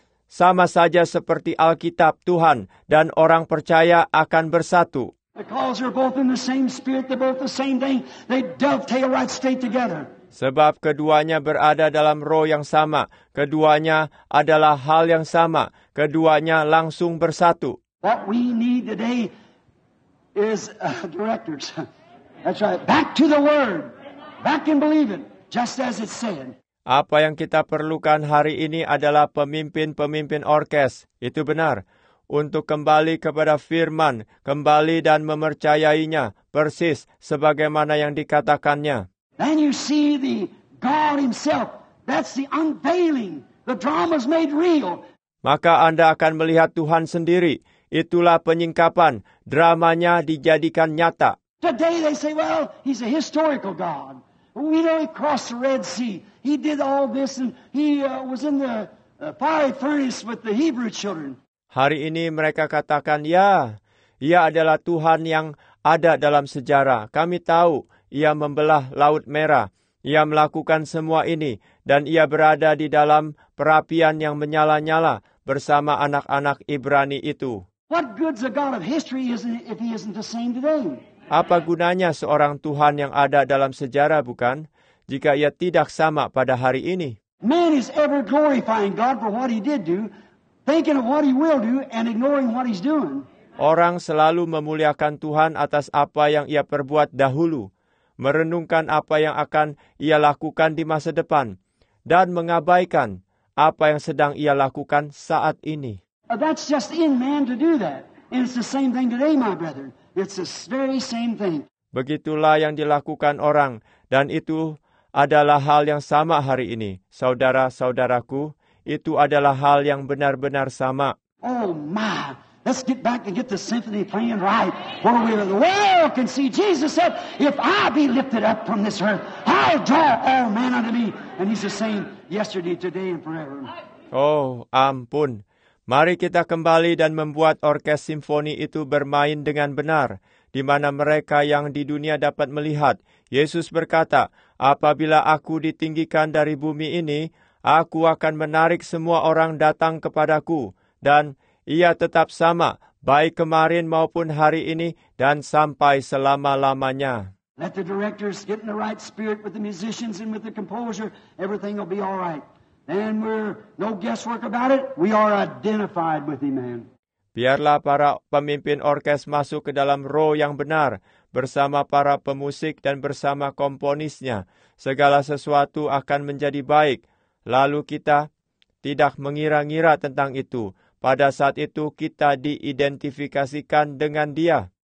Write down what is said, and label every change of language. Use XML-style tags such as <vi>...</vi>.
<id>Sama saja seperti Alkitab Tuhan dan orang percaya akan bersatu.</id> <en>The calls are both in the same spirit, they're both the same thing. They dovetail right straight together.</en> <id>Sebab keduanya berada dalam roh yang sama. Keduanya adalah hal yang sama. Keduanya langsung bersatu.</id> <en>What we need today is directors. That's right. Back to the word. Back and believe it. Just as it said.</en> <id>Apa yang kita perlukan hari ini adalah pemimpin-pemimpin orkes. Itu benar. Untuk kembali kepada firman. Kembali dan memercayainya. Persis sebagaimana yang dikatakannya.</id> <en>Then you see the God himself. That's the unveiling. The drama's made real.</en> <id>Maka Anda akan melihat Tuhan sendiri. Itulah penyingkapan. Dramanya dijadikan nyata.</id> <en>Today they say, well, he's a historical God. We know he crossed the Red Sea. He did all this and he was in the fiery furnace with the Hebrew children.</en> <id>Hari ini mereka katakan, ya, ia adalah Tuhan yang ada dalam sejarah. Kami tahu, ia membelah Laut Merah. Ia melakukan semua ini, dan ia berada di dalam perapian yang menyala-nyala bersama anak-anak Ibrani itu.</id> <en>What good's a God of history if he isn't the same today?</en> <id>Apa gunanya seorang Tuhan yang ada dalam sejarah, bukan, jika ia tidak sama pada hari ini?</id> <en>Man is ever glorifying God for what he did do, thinking of what he will do, and ignoring what he's doing.</en> <id>Orang selalu memuliakan Tuhan atas apa yang ia perbuat dahulu, merenungkan apa yang akan ia lakukan di masa depan, dan mengabaikan apa yang sedang ia lakukan saat ini.</id> <en>That's just in man to do that. And it's the same thing today, my brethren. It's the very same thing.</en> <id>Begitulah yang dilakukan orang, dan itu adalah hal yang sama hari ini. Saudara-saudaraku, itu adalah hal yang benar-benar sama.</id> <en>Oh my, let's get back and get the symphony playing right. Where we well can see Jesus said, if I be lifted up from this earth, I'll draw all men unto me. And he's the same yesterday, today, and forever.</en> <id>Oh, ampun. Mari kita kembali dan membuat orkes simfoni itu bermain dengan benar, di mana mereka yang di dunia dapat melihat. Yesus berkata, apabila aku ditinggikan dari bumi ini, aku akan menarik semua orang datang kepadaku, dan ia tetap sama, baik kemarin maupun hari ini, dan sampai selama-lamanya.</id> <en>Let the directors get in the right spirit with the musicians and with the composer, everything will be all right. And we're no guesswork about it. We are identified with him, man.</en> <id>Biarlah para pemimpin orkes masuk ke dalam roh yang benar bersama para pemusik dan bersama komponisnya. Segala sesuatu akan menjadi baik. Lalu kita tidak mengira-ngira tentang itu. Pada saat itu kita diidentifikasikan dengan dia.</id>